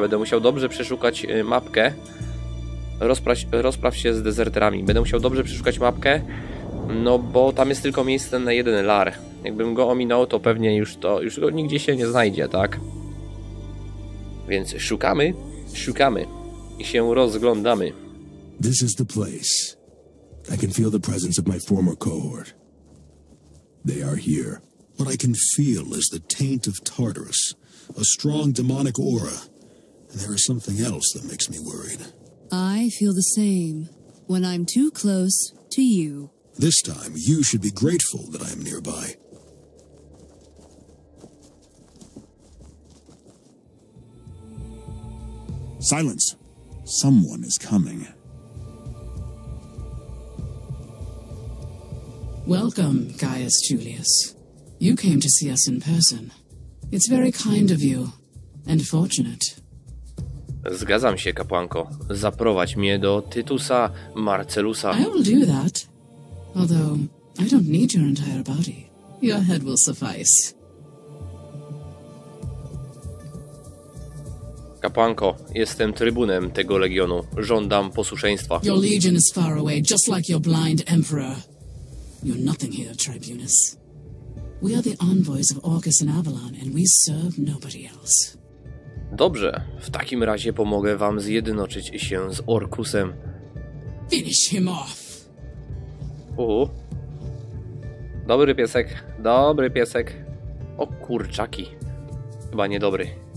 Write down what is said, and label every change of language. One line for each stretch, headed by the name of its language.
Polish: Będę musiał dobrze przeszukać mapkę. Rozpraw się z dezerterami. Będę musiał dobrze przeszukać mapkę, no bo tam jest tylko miejsce na jeden lar. Jakbym go ominął, to pewnie już go nigdzie się nie znajdzie, tak? Więc szukamy i się rozglądamy.
English: This is the place. I can feel the presence of my former cohort. They are here. What I can feel is the taint of Tartarus, a strong demonic aura. And there is something else that makes me worried. I feel the same when I'm too close to you. This time you should be grateful that I am nearby. Silence. Someone is coming. Welcome, Gaius Julius. You came to see us in person. It's very kind of you and fortunate.
Polish: Zgadzam się, kapłanko. Zaprowadź mnie do Titusa Marcellusa.
English: I will do that. Although, I don't need your entire body. Your head will suffice.
Polish: Kapłanko, jestem trybunem tego legionu. Żądam posłuszeństwa.
English: Your legion is far away, just like your blind emperor. You're nothing here, Tribunus. We are the envoys of Orcus and Avalon, and we serve nobody else.
Polish: Dobrze, w takim razie pomogę wam zjednoczyć się z Orcusem.
English: Finish him off!
Polish: Dobry piesek, dobry piesek. O kurczaki, chyba niedobry.